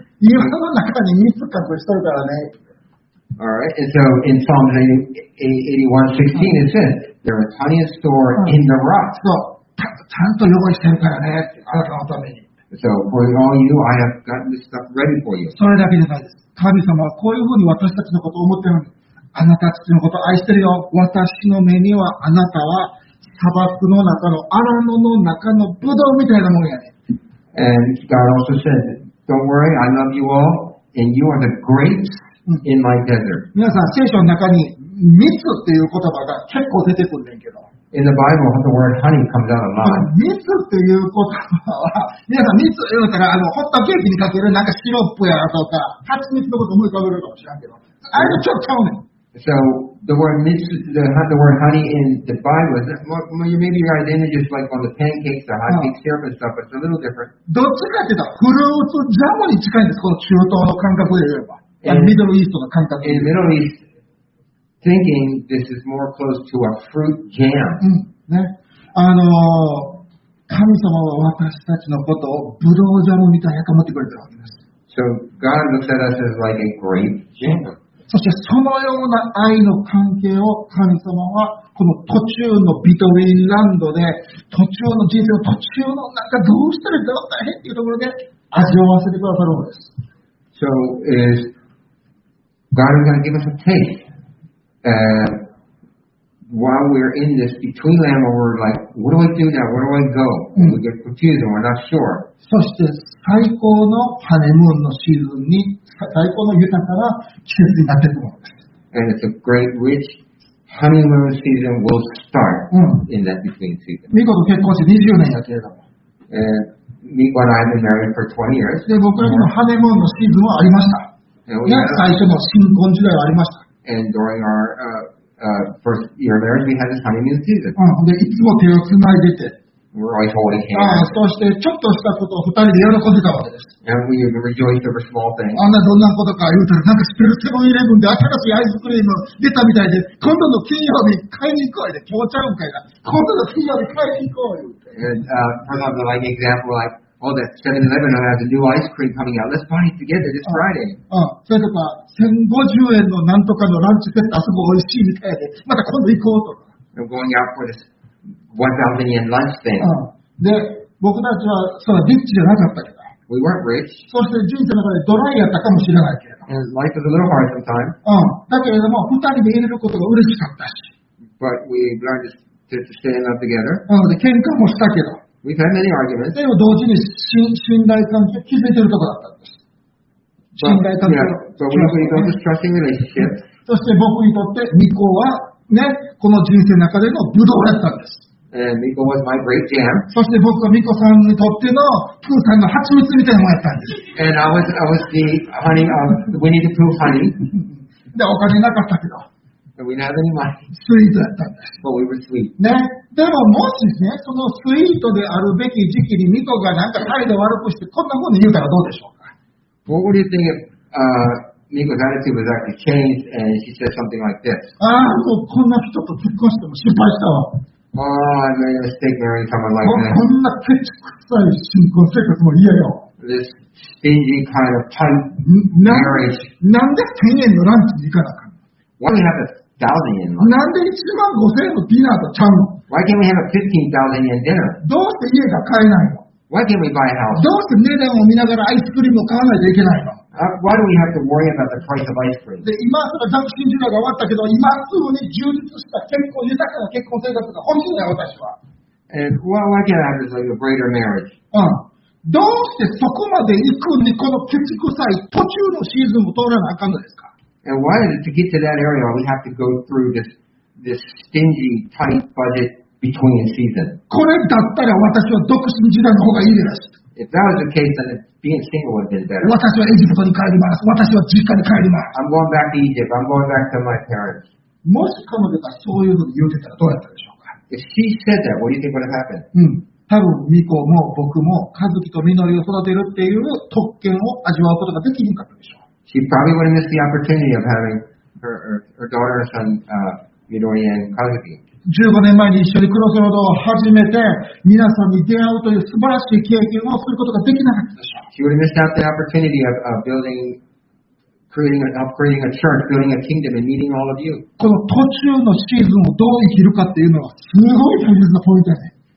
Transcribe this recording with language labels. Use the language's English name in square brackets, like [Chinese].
[Japanese] 岩の中に蜜がこうしてるからね。 [English] Alright, and so in Psalm 81:16 it says, there is honey in store in the rocks. [Japanese] そう、ちゃんと用意してるからね、あなたのために。 [English] So for all you, I have gotten this stuff ready for you. [Japanese] それだけじゃないです。神様はこういうふうに私たちのことを思ってるの。あなたたちのことを愛してるよ。私の目にはあなたは砂漠の中のアラノの中のブドウみたいなもんやね。 [English] And God also said, "Don't worry, I love you all, and you are the grapes in my desert." [Japanese] 皆さん、聖書の中に蜜っていう言葉が結構出てくるねんけど。 [English] In the Bible, the word honey comes out a lot. [Japanese] 蜜っていう言葉は、皆さん蜜言うたら、ホットケーキにかけるなんかシロップやとか、蜂蜜のこと思い浮かべるかもしれんけど。あれちょっとちゃうねん。 [English] So, the word honey in the Bible, maybe your identity is like on the pancakes, the hot cake syrup and stuff, but it's a little different. [Japanese] どっちかって言うと、フルーツジャムに近いんです、この中東の感覚で言えば。 Middle East の感覚で。 [English] In the Middle East,Thinking this is more close to a fruit jam. [Japanese] ね、神様は私たちのことをブドウジャムみたいに思ってくれてるわけです。 [English] So God looks at us as like a grape jam. [Japanese] そしてそのような愛の関係を神様はこの途中のビトウィンランドで途中の人生の途中のなんかどうしたらどうだいっていうところで味わわせてくださるんです。 [English] So is God is going to give us a taste. While we're in this between land, where we're like, what do I do now? Where do I go? We get confused and we're not sure. [Japanese] そして最高のハネムーンのシーズンに最高の豊かな季節になってくるんです。 [English] And it's a great rich honeymoon season will start in that between season. [Japanese] ミコと結婚して20年やけれども。 [English] ミコと I've been married for 20 years. [Japanese] で、僕らにもハネムーンのシーズンはありました。最初の新婚時代はありました。 [English] And during our first year of marriage, we had this honeymoon season. [Japanese] で、いつも手をつないでて。 [English] We're always holding hands. [Japanese] そして、ちょっとしたことを二人で喜んでたわけです。 [English] And we rejoiced over small things. [Japanese] あんなどんなことか言うたら、なんかスプリットイレブンで新しいアイスクリーム出たみたいで、今度の金曜日買いに行こうよ。今日ちゃうんかいな。今度の金曜日買いに行こうよ。 [English] And, for example, like example, like,Oh, that 7-Eleven has a new ice cream coming out. Let's buy it together this Friday. [Japanese] それとか、1050円のなんとかのランチセット、あそこ美味しいみたいで、また今度行こうとか。 [English] I'm going out for this 1000 yen lunch thing. [Japanese] で、僕たちは、そのリッチじゃなかったけど。 [English] We weren't rich. [Japanese] そして人生の中でドライやったかもしれないけど。 [English] And life is a little hard sometimes. [Japanese] だけれども、二人でいれることが嬉しかったし。 [English] But we learned to stay in love together. [Japanese] で、喧嘩もしたけど。 [English] We've had many arguments. [Japanese] でも同時に信頼関係を築いているところだったんです。信頼関係を築いている。 [English] Yeah. So、relationship. [Japanese] そして僕にとって、ミコは、ね、この人生の中でのブドウだったんです。 [English] And Miko was my great jam. [Japanese] そして僕はミコさんにとってのプーさんの蜂蜜みたいなものだったんです。 [English] And I was the honey of Winnie the Pooh honey. [Japanese] で、お金なかったけど。 [English] But we didn't have any money. [Japanese] スイートだったんです。 [English] But we were sweet. [Japanese] ね。でももしね、そのスイートであるべき時期にミコがなんか態度悪くしてこんなふうに言うたらどうでしょうか。 [English] What would you think if Miko's attitude was actually changed and she said something like this? [Japanese] ああ、もうこんな人と結婚しても失敗したわ。 [English] Oh, I made a mistake marrying someone like that. [Japanese] こんなケチくさい新婚生活も嫌よ。 [English] This stingy kind of type marriage. [Japanese] なんで1000円のランチに行かなかん。 [English] What would happen? [Japanese] なんで1万5000円のディナーとちゃうの [English] Why can't we have a 15,000 yen dinner? [Japanese] どうして家が買えないの [English] Why can't we buy a house? [Japanese] どうして値段を見ながらアイスクリームを買わないといけないの [English] Why do we have to worry about the price of ice cream? [Japanese] で、今すぐ独身時代が終わったけど、今すぐに充実した健康豊かな結婚生活が欲しいんだよ、私は。 [English] Why can't I have this, like, a greater marriage? [Japanese] どうしてそこまで行くにこのケチくさい途中のシーズンを通らなあかんのですか [English] And why is it to get to that area we have to go through this stingy, tight budget between seasons? [Japanese] これだったら私は独身時代の方がいいです。 [English] If that was the case, then being single would have been better. [Japanese] 私はエジプトに帰ります。私は実家に帰ります。 [English] I'm going back to Egypt. I'm going back to my parents. [Japanese] もし彼女がそういうのを言ってたらどうやったでしょうか? [English] If she said that, what do you think would have happened? [Japanese] 多分、ミコも僕も、カズキとミノリを育てるっていう特権を味わうことができなかったでしょう。 [English] She probably would have missed the opportunity of having her daughter and son, Midori and Kazuki. [Japanese] 15年前に一緒にクロスロードを始めて、皆さんに出会うという素晴らしい経験をすることができなかったでしょう。 [English] She would have missed out the opportunity of building, creating, upgrading a church, building a kingdom, and meeting all of you. [Japanese] この途中のシーズンをどう生きるかっていうのはすごい大切なポイントですね。